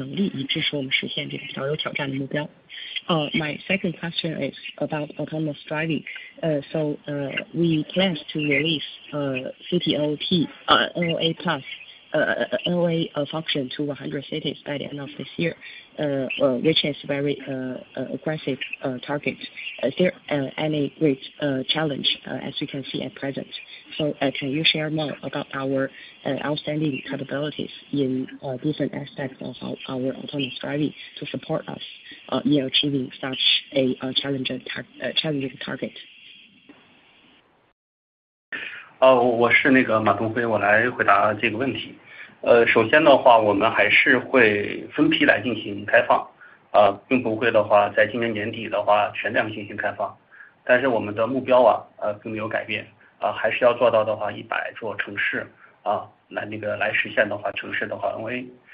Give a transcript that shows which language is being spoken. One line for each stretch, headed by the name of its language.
Chinese: 好的，我的第二个问题是关于自行驾驶。那公司也是规划到年底会释放重生V到100座城市，整个目标跟近期相比还是比较激进的。我们目前看是否还是有比较大的一个挑战？以及说可能到100座城市它的整个的一个形式是说可能内测还是说更大范围的一个商业化落地？然后能否再介绍一下我们在自行驾驶方面可能比较突出一些能力，以致说我们实现这个比较有挑战的目标？
English: My second question is about autonomous driving. We plan to release CTOP, NOA function to 100 cities by the end of this year, which is very aggressive target. Is there any great challenge as you can see at present? So, can you share more about our outstanding capabilities in different aspects of our autonomous driving to support us in achieving such a challenging target?
Chinese: 我是马东辉，我来回答这个问题。首先的话，我们还是会分批来进行开放，并不会的话在今年年底的话全量进行开放。但是我们的目标并没有改变，还是要做到的话100座城市，来实现的话城市的话NOA。